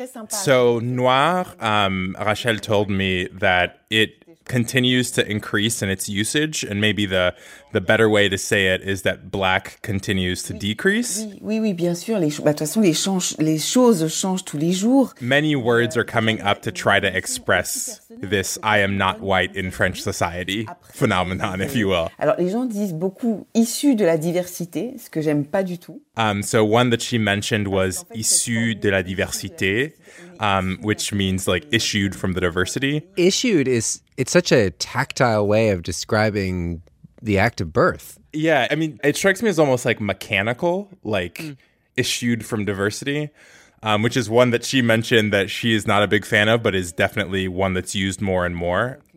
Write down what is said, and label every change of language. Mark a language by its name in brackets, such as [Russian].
[English] So noir, Rachel told me that it continues to increase in its usage, and maybe the the better way to say it is that black continues to decrease. [French] Oui, oui, bien sûr. Les choses changent tous les jours. [English] Many words are coming up to try to express this "I am not white in French society" phenomenon, if you will. [French] Alors, les gens disent beaucoup issus de la diversité, ce que j'aime pas du tout. [English] So one that she mentioned was [French] issus de la diversité, [English] which means like issued from the diversity. Issued is, it's such a tactile way of describing the act of birth. Yeah, I mean, it strikes me as almost like mechanical, like issued from diversity, which is one that she mentioned that she is not a big fan of, but is definitely one that's used more and more.